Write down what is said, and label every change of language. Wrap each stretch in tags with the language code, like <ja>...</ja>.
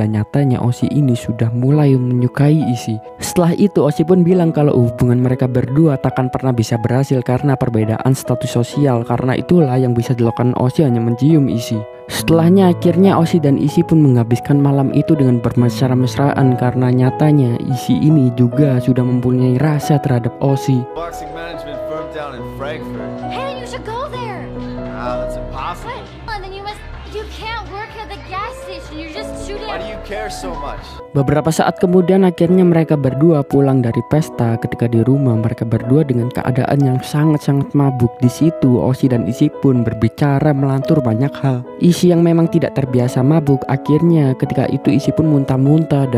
<id>Ya, nyatanya Osi ini sudah mulai menyukai Isi. Setelah itu Osi pun bilang kalau hubungan mereka berdua takkan pernah bisa berhasil karena perbedaan status sosial. Karena itulah yang bisa dilakukan Osi hanya mencium Isi. Setelahnya akhirnya Osi dan Isi pun menghabiskan malam itu dengan bermesra-mesraan karena nyatanya Isi ini juga sudah mempunyai rasa terhadap Osi.</id> <en>Boxing management firm down in Frankfurt. Hey, you should go there. That's impossible. What? And then you can't work at the gas station. You're just shooting. Why do you care so much?</en> <id>Beberapa saat kemudian akhirnya mereka berdua pulang dari pesta. Ketika di rumah mereka berdua dengan keadaan yang sangat-sangat mabuk. Di situ Osi dan Isi pun berbicara melantur banyak hal. Isi yang memang tidak terbiasa mabuk, akhirnya ketika itu Isi pun muntah-muntah.</id>